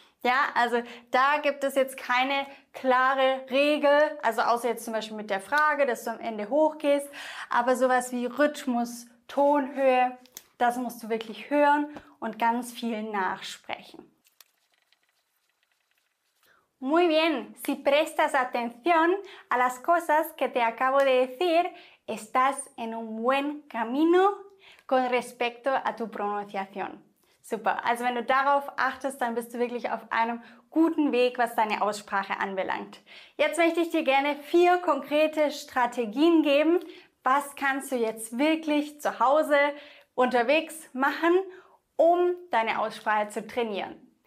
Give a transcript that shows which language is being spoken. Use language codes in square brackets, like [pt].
[de] Ja, also da gibt es jetzt keine klare Regel, also außer jetzt zum Beispiel mit der Frage, dass du am Ende hochgehst, aber sowas wie Rhythmus, Tonhöhe, das musst du wirklich hören und ganz viel nachsprechen. [es] Muy bien, si prestas atención a las cosas que te acabo de decir, estás en un buen camino con respecto a tu pronunciación. [de] Super, also wenn du darauf achtest, dann bist du wirklich auf einem guten Weg, was deine Aussprache anbelangt. Jetzt möchte ich dir gerne 4 konkrete Strategien geben. Was kannst du jetzt wirklich zu Hause unterwegs machen, um deine Aussprache zu trainieren?